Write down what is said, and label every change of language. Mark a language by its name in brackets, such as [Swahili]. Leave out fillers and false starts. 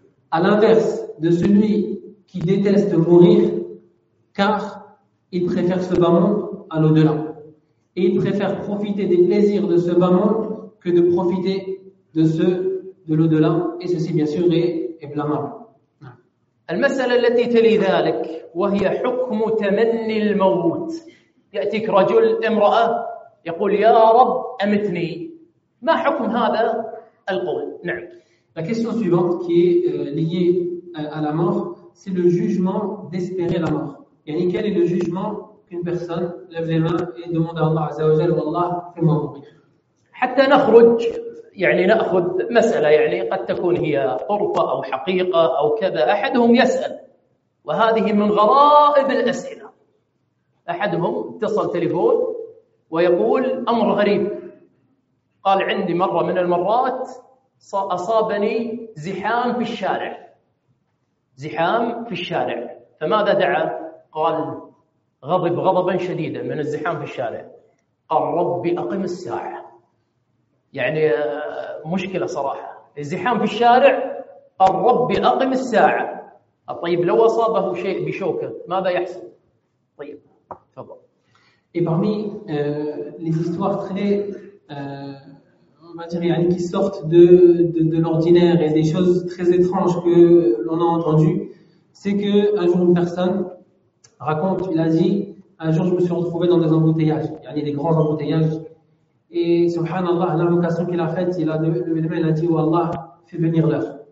[French] À l'inverse de celui qui déteste mourir, car il préfère ce bas monde à l'au-delà. Et il préfère profiter des plaisirs de ce bas monde que de profiter de ceux de l'au-delà. Et ceci, bien sûr, est blâmable. [Arabic] المسألة التي تلي ذلك وهي حكم تمني الموت. يأتيك رجل امرأة يقول يا رب أمتني. ما حكم هذا القول؟ نعم. [French] La question suivante qui est liée à la mort, c'est le jugement d'espérer la mort. يعني quel est le jugement qu'une personne lève les mains et demande à Allah [Arabic] عز وجل والله فيما مريض. حتى نخرج يعني نأخذ مسألة يعني قد تكون هي طرفة أو حقيقة أو كذا أحدهم يسأل وهذه من غرائب الأسئلة أحدهم اتصل تليفون ويقول أمر غريب قال عندي مرة من المرات أصابني زحام في الشارع زحام في الشارع فماذا دعا قال غضب غضبا شديدا من الزحام في الشارع قال ربي أقم الساعة يعني مشكلة صراحة الزحام في الشارع قال ربي أقم الساعة طيب لو أصابه شيء بشوكة ماذا يحصل طيب تفضل [French] et parmi les histoires très on va dire يعني qui sortent de l'ordinaire et des choses très étranges que l'on a entendu c'est que un jour une personne raconte il a dit un jour je me suis retrouvé dans des embouteillages يعني des grands embouteillages Et subhanallah, l'invocation qu'il a faite, il a levé les mains, il a dit « Oh Allah, fais venir l'heure.